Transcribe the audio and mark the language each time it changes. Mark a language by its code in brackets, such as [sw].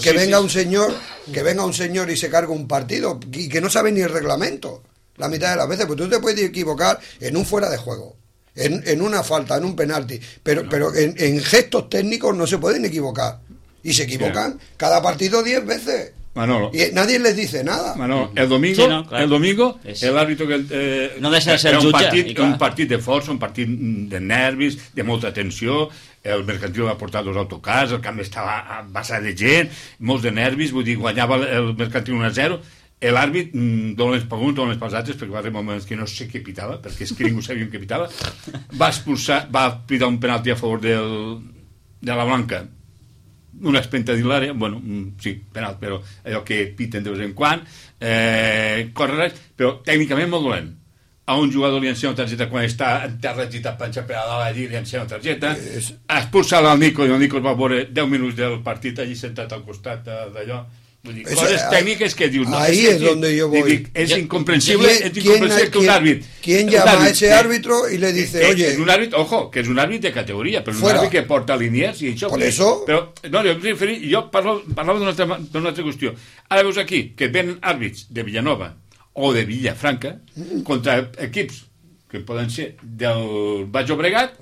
[es] que venga un señor y se cargue un partido y que no sabe ni el reglamento la mitad de las veces, pues tú te puedes equivocar en un fuera de juego, en una falta, en un penalti, pero en gestos técnicos no se pueden equivocar y se equivocan cada partido 10 veces. Manolo, y nadie les dice nada. Manolo, el domingo, el domingo, el árbitro que [ca] no deixa de ser un partit, de força, un partit de nervis, de molta tensió. El Mercantil va portar dos autocars, el camp estava basat de gent, molts de nervis, vull dir, guanyava el Mercantil 1-0, l'àrbit dona les pagunes, dona les pasates, perquè va haver moments que no sé què pitava, perquè és que ningú sabia què pitava, va pitar un penalti a favor de la Blanca, una espenta dins l'àrea, bueno, sí, penalti, però allò que piten de vegades en quan, correràs, però tècnicament molt dolent. A un jugador li ensenya una targeta quan està en terra i panxa per a dalt allí, li ensenya una targeta. Expulsar el Nico, i el Nico es va veure 10 minuts del partit allí sentat al costat d'allò. Coses tècniques que dius... [es] Ahí es donde yo voy. [ca] És incomprensible que un àrbit... [es] ¿Quién llama a ese árbitro y le dice, oye... [ca] És un àrbit, ojo, que és un àrbit de categoria, però és un àrbit que porta liniers i això... [es] Por eso... [ca] Però, no, jo parlava d'una altra qüestió. Ara veus aquí que venen àrbits de Villanova o de Villafranca contra equips que poden ser del Baix Llobregat,